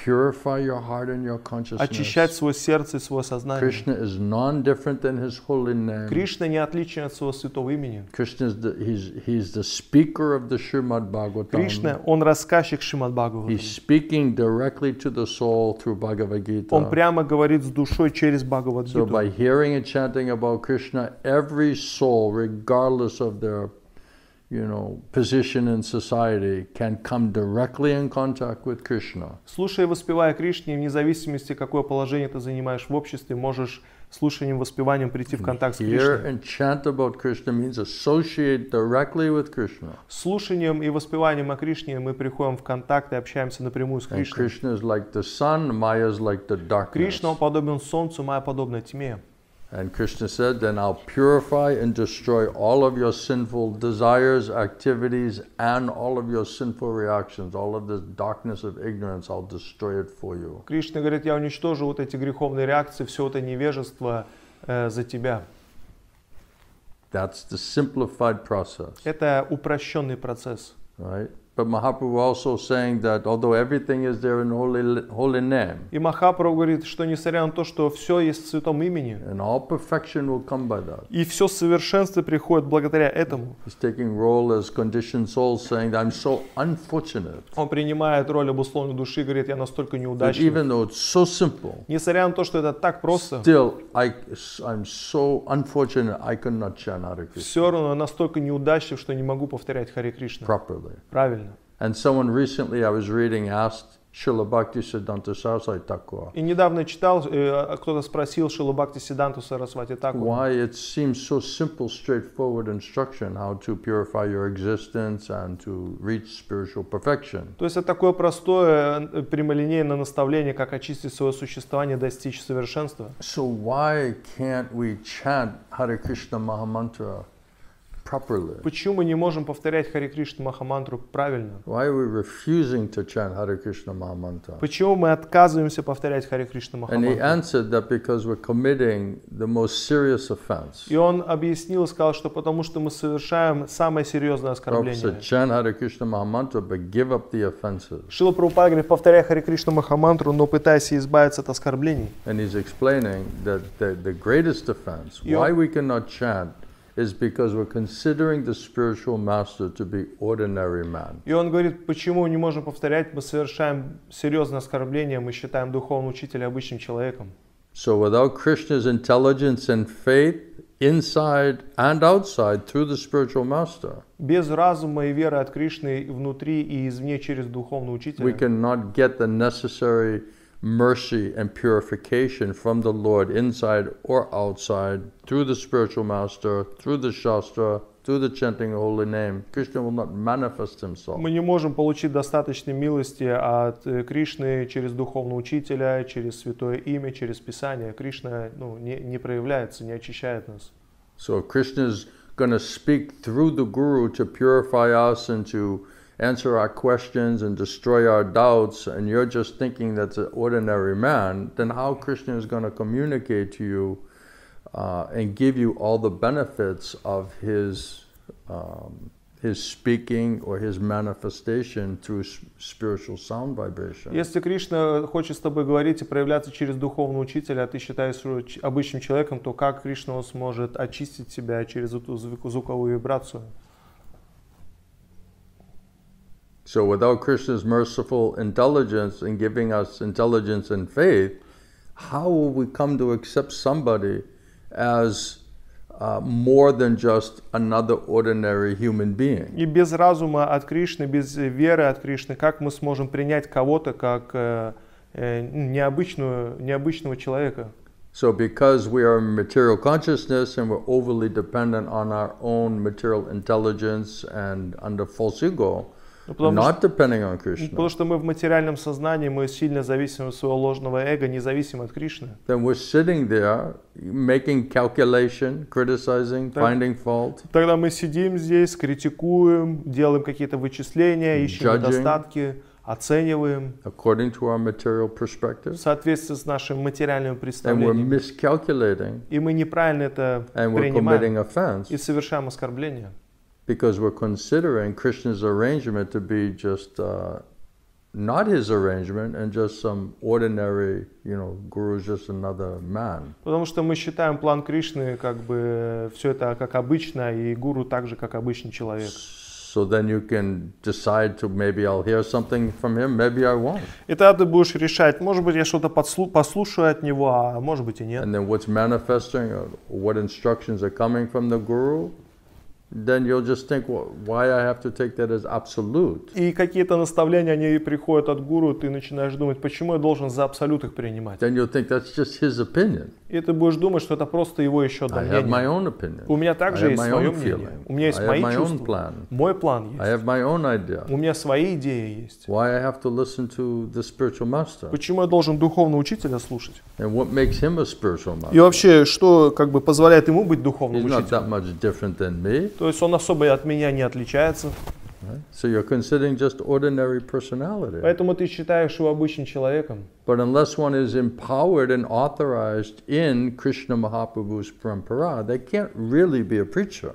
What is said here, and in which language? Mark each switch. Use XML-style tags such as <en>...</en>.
<en>Purify your heart and your consciousness.</en> <ru>Очищать свое сердце и свое сознание.</ru> <en>Krishna is non-different than His holy name.</en> <ru>Кришна не отличен от своего святого имени.</ru> <en>Krishna is he's the speaker of the Shrimad Bhagavatam.</en> <ru>Кришна, он рассказчик Шримад Бхагаватам.</ru> <en>He's speaking directly to the soul through Bhagavad Gita.</en> <ru>Он прямо говорит с душой через Бхагавад Гиту.</ru> <en>So by hearing and chanting about Krishna, every soul, regardless of their position in society, can come directly in contact with Krishna.</en> <ru>Слушая и воспевая Кришне, вне зависимости, какое положение ты занимаешь в обществе, можешь слушанием, воспеванием прийти в контакт с Кришной.</ru> <en>Hear and chant about Krishna means associate directly with Krishna.</en> <ru>Слушанием и воспеванием о Кришне мы приходим в контакт и общаемся напрямую с Кришной.</ru> <en>And Krishna is like the sun, Maya is like the darkness.</en> <ru>Кришна подобен солнцу, Майя подобна тьме.</ru> <en>And Krishna said, then I'll purify and destroy all of your sinful desires, activities, and all of your sinful reactions. All of this darkness of ignorance, I'll destroy it for you.</en> <ru>Кришна говорит, я уничтожу вот эти греховные реакции, все это невежество за тебя.</ru> <en>That's the simplified process.</en> <ru>Это упрощенный процесс.</ru> <en>Right? But Mahaprabhu also saying that although everything is there in holy name.</en> <ru>И Махапрабху говорит, что несмотря на то, что все есть в святом имени.</ru> <en>And all perfection will come by that.</en> <ru>И все совершенство приходит благодаря этому.</ru> <en>He's taking role as conditioned soul, saying that I'm so unfortunate.</en> <ru>Он принимает роль обусловленной души и говорит, я настолько неудачный.</ru> <en>Even though it's so simple.</en> <ru>Несмотря на то, что это так просто.</ru> <en>Still, I'm so unfortunate, I cannot chant Hare Krishna.</en> <ru>Все равно настолько неудачлив, что не могу повторять Харе Кришна.</ru> <en>Properly.</en> <ru>Правильно.</ru> <en>And someone recently I was reading asked Srila Bhakti Siddhanta Saraswati Thakura.</en> <ru>И недавно читал, кто-то спросил Srila Bhakti Siddhanta Saraswati Thakura.</ru> <en>Why it seems so simple, straightforward instruction how to purify your existence and to reach spiritual perfection.</en> <ru>То есть это такое простое прямолинейное наставление, как очистить свое существование, достичь совершенства.</ru> <en>So why can't we chant Hare Krishna Mahamantra?</en> <ru>Почему мы не можем повторять Харе Кришна Махамантру правильно?</ru> <en>Why are we refusing to chant Hare Krishna Mahamantra?</en> <ru>Почему мы отказываемся повторять Харе Кришна Махамантру?</ru> <en>And he answered that because we're committing the most serious offense.</en> <ru>И он объяснил, сказал, что потому что мы совершаем самое серьезное оскорбление.</ru> <en>Prabhupada chant Hare Krishna Mahamantra, but give up the offenses.</en> <ru>Шрила Прабхупада говорит, повторяй Харе Кришна Махамантру, но пытайся избавиться от оскорблений.</ru> <en>And he's explaining that the greatest offense, why we cannot chant, is because we're considering the spiritual master to be ordinary man.</en> <ru>И он говорит, почему не можем повторять, мы совершаем серьезное оскорбление, мы считаем духовного учителя обычным человеком.</ru> <en>So without Krishna's intelligence and faith, inside and outside, through the spiritual master,</en> <ru>без разума и веры от Кришны внутри и извне через духовного учителя,</ru> <en>we cannot get the necessary mercy and purification from the Lord inside or outside, through the spiritual master, through the shastra, through the chanting of holy name. Krishna will not manifest himself.</en> <ru>Мы не можем получить достаточной милости от Кришны через духовного учителя, через святое имя, через Писание. Кришна, ну, не проявляется, не очищает нас.</ru> <en>So if Krishna is going to speak through the Guru to purify us and to answer our questions and destroy our doubts, and you're just thinking that's an ordinary man, then how Krishna is going to communicate to you and give you all the benefits of his speaking or his manifestation through spiritual sound vibration?</en> <ru>Если Кришна хочет с тобой говорить и проявляться через духовного учителя, а ты считаешь обычным человеком, то как Кришна сможет очистить тебя через эту звуковую вибрацию?</ru> <en>So without Krishna's merciful intelligence and giving us intelligence and faith, how will we come to accept somebody as more than just another ordinary human being?</en> <ru>И без разума от Кришны, без веры от Кришны, как мы сможем принять кого-то как необычного человека?</ru> <en>So because we are material consciousness and we're overly dependent on our own material intelligence and under false ego, not depending on Krishna,</en> <ru>потому что мы в материальном сознании, мы сильно зависим от своего ложного эго, независим от Кришны.</ru> <en>Then we're sitting there, making calculation, criticizing, finding fault.</en> <ru>Тогда мы сидим здесь, критикуем, делаем какие-то вычисления, ищем недостатки, оцениваем.</ru> <en>According to our material perspective.</en> <ru>В соответствии с нашим материальным представлением.</ru> <en>And we're miscalculating.</en> <ru>И мы неправильно это принимаем.</ru> <en>And we're committing offense.</en> <ru>И совершаем оскорбление.</ru> <en>Because we're considering Krishna's arrangement to be just not his arrangement and just some ordinary, you know, guru is just another man.</en> <ru>Потому что мы считаем план Кришны как бы все это как обычно и гуру также как обычный человек.</ru> <en>So then you can decide to maybe I'll hear something from him, maybe I won't.</en> <ru>И тогда ты будешь решать, может быть я что-то послушаю от него, а может быть и нет.</ru> <en>And then what's manifesting, what instructions are coming from the guru? Then you'll just think, why I have to take that as absolute?</en> <ru>И какие-то наставления они приходят от гуру, ты начинаешь думать, почему я должен за абсолют их принимать?</ru> <en>Then you'll think that's just his opinion.</en> <ru>И ты будешь думать, что это просто его еще одно мнение.</ru> <en>I have my own opinion.</en> <ru>У меня также есть свое мнение. У меня есть мои чувства. Мой план есть.</ru> <en>I have my own idea.</en> <ru>У меня свои идеи есть.</ru> <en>Why I have to listen to the spiritual master?</en> <ru>Почему я должен духовного учителя слушать?</ru> <en>And what makes him a spiritual master?</en> <ru>И вообще, что как бы позволяет ему быть духовным</ru> <en>He's</en> <ru>учителем?</ru> <en>He's not that much different than me.</en> <ru>То есть он особо от меня не отличается.</ru> <en>Right? So you're considering just ordinary personality.</en> <ru>Поэтому ты считаешь его обычным человеком.</ru> <en>But unless one is empowered and authorized in Krishna Mahaprabhu's parampara, they can't really be a preacher.</en>